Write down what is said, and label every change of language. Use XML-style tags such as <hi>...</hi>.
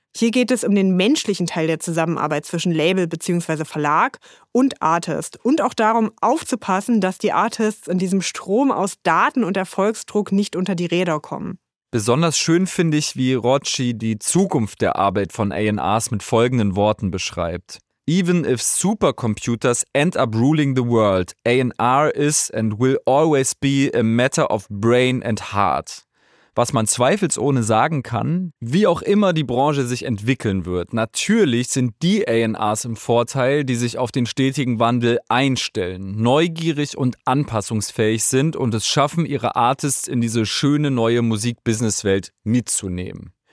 <de>Hier geht es um den menschlichen Teil der Zusammenarbeit zwischen Label bzw. Verlag und Artist und auch darum aufzupassen, dass die Artists in diesem Strom aus Daten und Erfolgsdruck nicht unter die Räder kommen. Besonders schön finde ich, wie Rocci die Zukunft der Arbeit von A&Rs mit folgenden Worten beschreibt.</de> <en>Even if supercomputers end up ruling the world, A&R is and will always be a matter of brain and heart.</en> <de>Was man zweifelsohne sagen kann, wie auch immer die Branche sich entwickeln wird, natürlich sind die A&Rs im Vorteil, die sich auf den stetigen Wandel einstellen, neugierig und anpassungsfähig sind und es schaffen, ihre Artists in diese schöne neue Musik-Business-Welt mitzunehmen.</de>